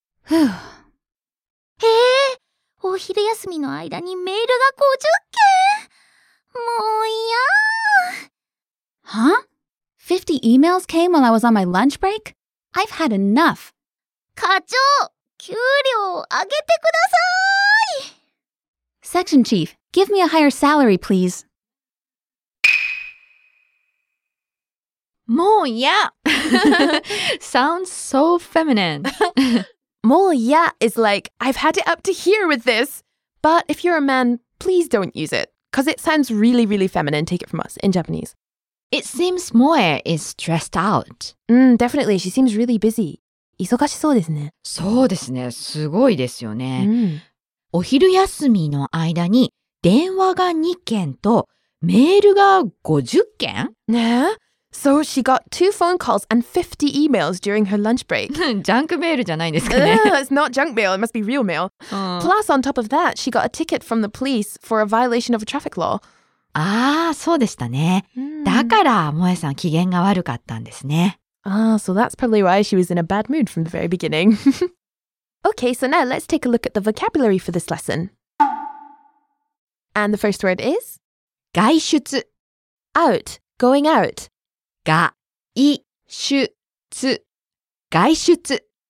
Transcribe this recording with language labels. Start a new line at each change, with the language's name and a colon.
Japanese: へえ、お昼休みの間にメールが50件。もういやー。
English: Huh? 50 emails came while I was on my lunch break? I've had enough.
Japanese: 課長、給料上げてください。
English: Section chief, give me a higher salary, please. もうや Sounds so feminine. もうや is like, I've had it up to here with this. But if you're a man, please don't use it. Because it sounds really, really feminine, take it from us, in Japanese. It seems Moe is stressed out. Definitely. She seems really busy.
Japanese: 忙しそうですね。そうですね。すごいですよね。お昼休みの間に電話が2件とメールが50件ね。
English: So she got 2 phone calls and 50 emails during her lunch break.
Japanese: Junk mail じゃないんですかね。
English: It's not junk mail, it must be real mail. Plus, on top of that, she got a ticket from the police for a violation of a traffic law.
Japanese: ああ、そうでしたね。だから、萌さん、機嫌が悪かったんですね。
English: Ah, so that's probably why she was in a bad mood from the very beginning. Okay, so now let's take a look at the vocabulary for this lesson. And the first word is?
Japanese: 外出
English: Out, going out.
Japanese: 外出外出